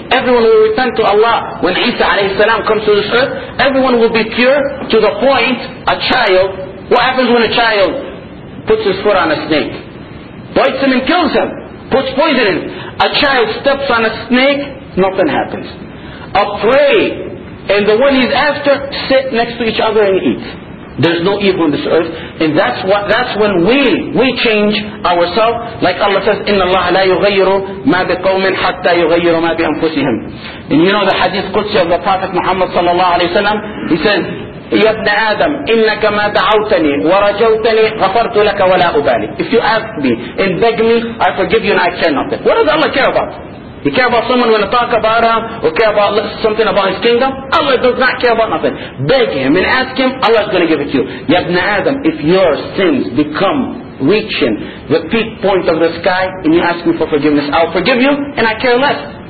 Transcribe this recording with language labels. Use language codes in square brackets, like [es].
[en] Everyone will return to Allah. When Isa alayhi salam comes to this earth, everyone will be pure to the point a child, what happens when a child puts his foot on a snake? Bites him and kills him. Puts poison in. A child steps on a snake, nothing happens. A prey and the one he's after sit next to each other and eat. There's no evil on this earth. And that's when we change ourselves. Like Allah says, [ar] إِنَّ اللَّهَ لَا يُغَيِّرُ مَا بِقَوْمٍ حَتَّى يُغَيِّرُ مَا بِأَنفُسِهِمْ. [en] And you know the hadith Qudsi of the Prophet Muhammad صلى الله عليه وسلم. He says, [ar] يَا ابْنَ آدَمْ إِنَّكَ مَا دَعَوْتَنِي وَرَجَوْتَنِي غَفَرْتُ لَكَ وَلَا أُبَالِي. [en] If you ask me and beg me, I forgive you and I care nothing. What does Allah care about? He care about someone when I talk about him, or care about something about his kingdom? Allah does not care about nothing. Beg him and ask him, Allah is going to give it to you. Ya ibn Adam, if your sins become reaching the peak point of the sky, and you ask me for forgiveness, I'll forgive you, and I care less.